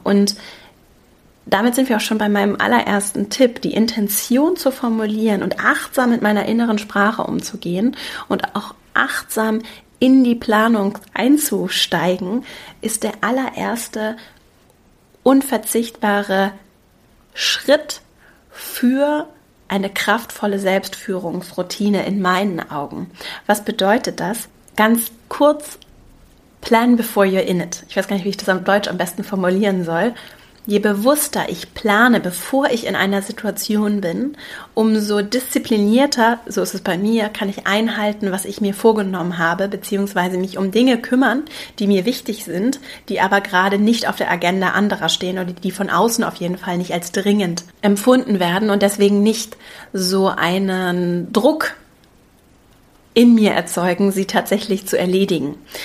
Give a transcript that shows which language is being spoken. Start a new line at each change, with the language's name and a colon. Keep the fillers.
German: Und damit sind wir auch schon bei meinem allerersten Tipp, die Intention zu formulieren und achtsam mit meiner inneren Sprache umzugehen und auch achtsam in die Planung einzusteigen, ist der allererste unverzichtbare Schritt für eine kraftvolle Selbstführungsroutine in meinen Augen. Was bedeutet das? Ganz kurz,
English: plan before you're in it.
German: Ich weiß gar nicht, wie ich das auf Deutsch am besten formulieren soll. Je bewusster ich plane, bevor ich in einer Situation bin, umso disziplinierter, so ist es bei mir, kann ich einhalten, was ich mir vorgenommen habe, beziehungsweise mich um Dinge kümmern, die mir wichtig sind, die aber gerade nicht auf der Agenda anderer stehen oder die von außen auf jeden Fall nicht als dringend empfunden werden und deswegen nicht so einen Druck in mir erzeugen, sie tatsächlich zu erledigen.